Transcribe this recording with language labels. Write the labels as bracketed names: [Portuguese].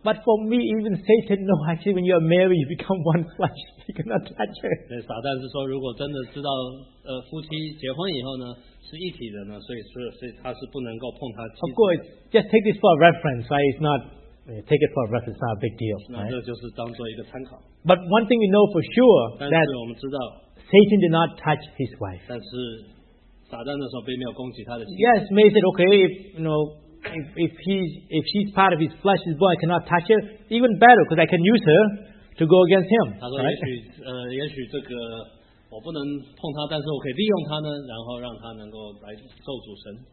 [English] But for me, even Satan knows, actually, when you are married, you become one flesh. You cannot touch her. [Chinese] 撒旦是说，如果真的知道夫妻结婚以后呢？是一体的呢，所以他是不能够碰他妻子的。 [English] Of course, just take this for a reference, right? It's not, take it for a reference, not a big deal. Right? [Chinese] 那这就是当做一个参考。 [English] But one thing we know for sure, that Satan did not touch his wife. [Chinese] 但是撒旦那时候并没有攻击他的妻子。 [English] Yes, may said, okay, if she's part of his flesh, his boy, I cannot touch her, even better, because I can use her to go against him. [Chinese] 他说也许这个 我不能碰他，但是我可以利用他呢，然后让他能够来咒诅神。